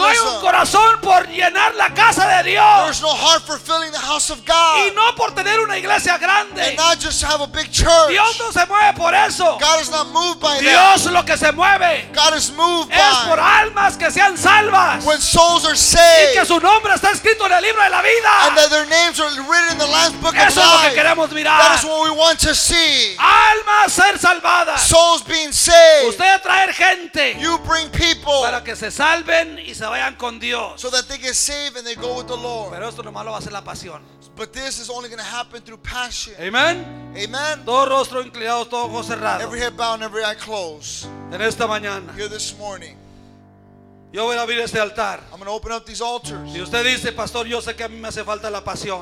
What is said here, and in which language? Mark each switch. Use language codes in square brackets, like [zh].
[es] No hay un corazón por llenar la casa de Dios. [en] There's no heart for filling the house of God. [es] Y no por tener una iglesia grande. [en] And not just have a big church. [es] Dios no se mueve por eso. [en] God is not moved by [es] Dios [en] that. [es] Lo que se mueve [en] God is moved [es] es [en] by. [es] Por almas que sean salvas. [en] When souls are saved. [es] Y que su nombre está escrito en el libro de la vida. [en] And that their names are written in the last book [es] eso [en] of life. [es] Es lo que queremos mirar. [en] That is what we want to see. [es] Almas ser salvadas. [en] Souls being saved. [es] Usted traer gente. [en] You bring people. [es] Para que se salven y se vayan con Dios. [en] So that they get saved and they go with the Lord. [es] Pero esto nomás lo va a hacer la pasión. [en] But this is only going to happen through passion. [es] Amen. [en] Amen. [es] Todo rostro inclinado, todo ojo cerrado. [en] Every head bowed, every eye closed. [es] En esta mañana. [en] Here this morning. [es] Yo voy a abrir este altar. [en] I'm going to open up these altars. [es] Y usted dice, pastor, yo sé que a mí me hace falta la pasión.